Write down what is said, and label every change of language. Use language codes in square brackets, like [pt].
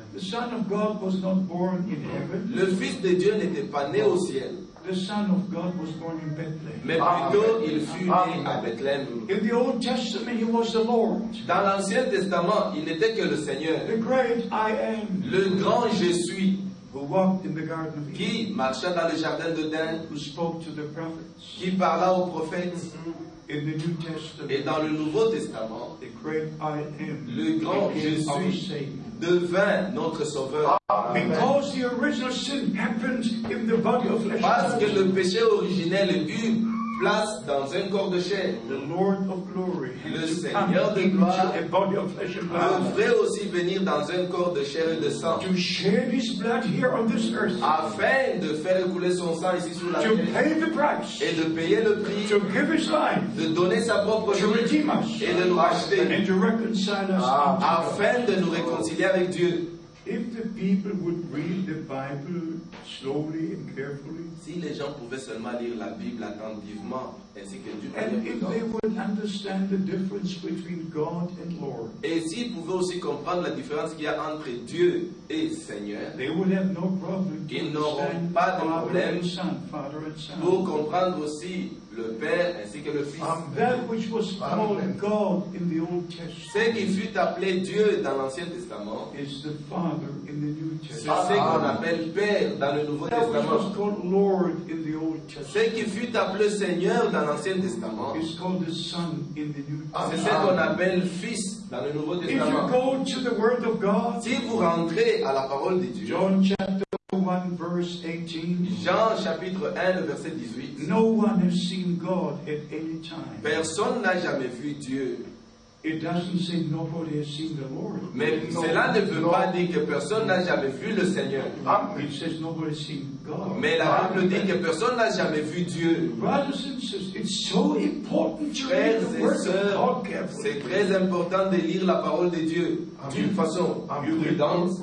[en] The Son of God was not born in heaven. [fr] Le Fils de Dieu n'était pas né au ciel. [en] The Son of God was born in Bethlehem. [fr] Mais plutôt, il fut né à Bethlehem. [en] In the Old Testament, he was the Lord. [fr] Dans l'Ancien Testament, il n'était que le Seigneur. [en] The great I am. [fr] Le grand Je suis. [en] Who walked in the Garden of Eden. [fr] Qui marcha dans le Jardin d'Eden. [en] Who spoke to the prophets. [fr] Qui parla aux prophètes. [en] In the New Testament. [fr] Et dans le Nouveau Testament. [en] The great I am. [fr] Le grand Je suis. Devint notre sauveur. [en] Because the original sin happened in the body of flesh. [fr] Parce que le péché originel est eu place dans un corps de chair. [en] The Lord of glory. [fr] Le Seigneur de gloire. [en] A body of flesh and blood. [fr] Devrait aussi venir dans un corps de chair et de sang. [en] To shed his blood here on this earth. [fr] Afin de faire couler son sang ici sur la terre. [en] To pay the price. [fr] Et de payer le prix. [en] To give his life. [fr] De donner sa propre vie. [en] To redeem us. [fr] Et de nous racheter. [en] And to reconcile us. [fr] Afin de nous réconcilier avec Dieu. [en] If the people would read the Bible slowly and carefully, [fr] si les gens pouvaient seulement lire la Bible attentivement, ainsi que Dieu [en] and if they would understand the difference between God and Lord, [fr] et s'ils pouvaient aussi comprendre la différence qu'il y a entre Dieu et Seigneur, [en] they would have no problem. [fr] Ils n'auront pas de problème [en] Father and Son, [fr] pour comprendre aussi le Père ainsi que le Fils. [en] That which was called God in the Old Testament, [fr] ce qui fut appelé Dieu dans l'Ancien Testament, [en] is the Father in the New Testament. [fr] C'est ce qu'on appelle Père dans le Nouveau [en] that [fr] Testament. [en] Which was called Lord in the Old Testament, [fr] ce qui fut appelé Seigneur dans l'Ancien Testament, [en] is called the Son in the New Testament. [fr] C'est ce qu'on appelle Fils dans le Nouveau Testament. [en] If you go to the Word of God, [fr] si vous rentrez à la parole de Dieu, [en] John chapter 1 verse 18, [fr] Jean chapitre 1 verset 18. [en] No one has seen God at any time. [fr] Personne n'a jamais vu Dieu. [en] It doesn't say nobody has seen the Lord. [fr] Mais no, cela ne veut no, pas dire que personne n'a jamais vu le Seigneur. [en] It says nobody has seen God. [fr] Mais la Bible dit que personne n'a jamais vu Dieu. [en] Brothers and sisters, it's so important to [fr] frères [en] read the word [fr] sœurs, [en] of God carefully. [fr] C'est très important de lire la parole de Dieu d'une façon prudente.